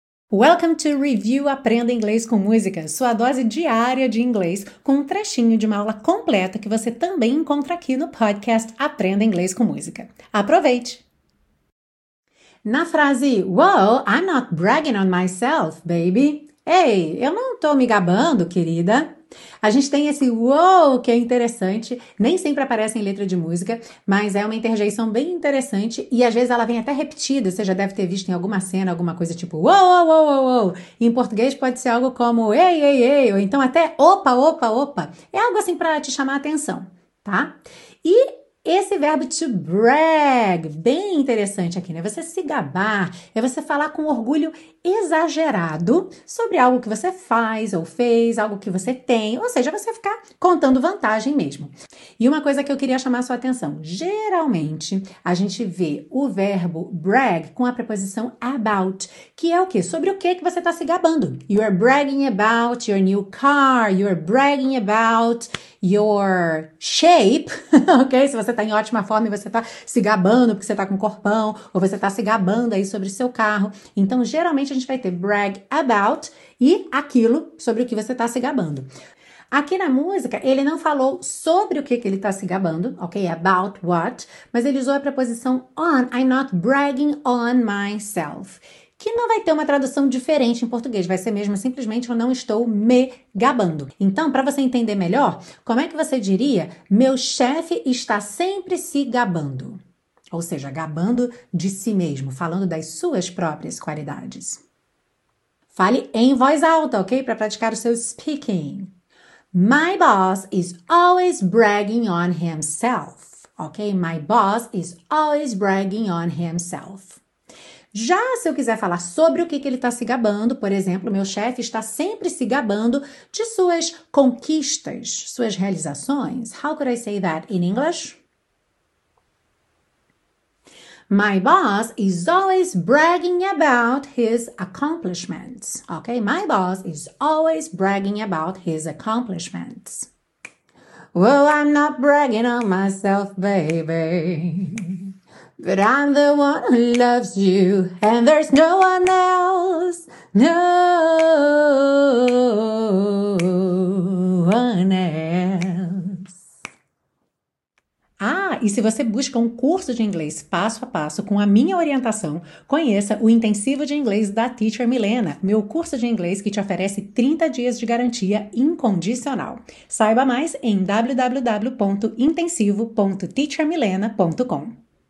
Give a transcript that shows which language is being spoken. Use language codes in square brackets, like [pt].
[pt] Welcome to Review Aprenda Inglês com Música, sua dose diária de inglês com um trechinho de uma aula completa que você também encontra aqui no podcast Aprenda Inglês com Música. Aproveite! Na frase, [en] "Whoa, I'm not bragging on myself, baby." [pt] Ei, eu não tô me gabando, querida. A gente tem esse "whoa" que é interessante, nem sempre aparece em letra de música, mas é uma interjeição bem interessante e às vezes ela vem até repetida, você já deve ter visto em alguma cena, alguma coisa tipo "whoa, whoa, whoa, whoa". Em português pode ser algo como "ei, ei, ei", ou então até "opa, opa, opa". É algo assim para te chamar a atenção, tá? E esse verbo to brag, bem interessante aqui, né? Você se gabar, é você falar com orgulho exagerado sobre algo que você faz ou fez, algo que você tem, ou seja, você ficar contando vantagem mesmo. E uma coisa que eu queria chamar a sua atenção, geralmente a gente vê o verbo brag com a preposição about, que é o quê? Sobre o quê que você está se gabando? [en] You are bragging about your new car, you are bragging about your shape, ok? [pt] Se você está em ótima forma e você está se gabando porque você está com corpão, ou você está se gabando aí sobre seu carro. Então, geralmente a gente vai ter brag about e aquilo sobre o que você está se gabando. Aqui na música, ele não falou sobre o que ele está se gabando, ok? About what, mas ele usou a preposição on, [en] I'm not bragging on myself, [pt] que não vai ter uma tradução diferente em português, vai ser mesmo simplesmente eu não estou me gabando. Então, para você entender melhor, como é que você diria meu chefe está sempre se gabando? Ou seja, gabando de si mesmo, falando das suas próprias qualidades. Fale em voz alta, ok? Para praticar o seu speaking. [en] My boss is always bragging on himself, ok? My boss is always bragging on himself. [pt] Já se eu quiser falar sobre o que ele está se gabando, por exemplo, meu chefe está sempre se gabando de suas conquistas, suas realizações. [en] How could I say that in English? My boss is always bragging about his accomplishments. Okay, my boss is always bragging about his accomplishments. Well, I'm not bragging on myself, baby. But I'm the one who loves you, and there's no one else, no one else. [pt] Ah, e se você busca um curso de inglês passo a passo com a minha orientação, conheça o Intensivo de Inglês da Teacher Milena, meu curso de inglês que te oferece 30 dias de garantia incondicional. Saiba mais em www.intensivo.teachermilena.com.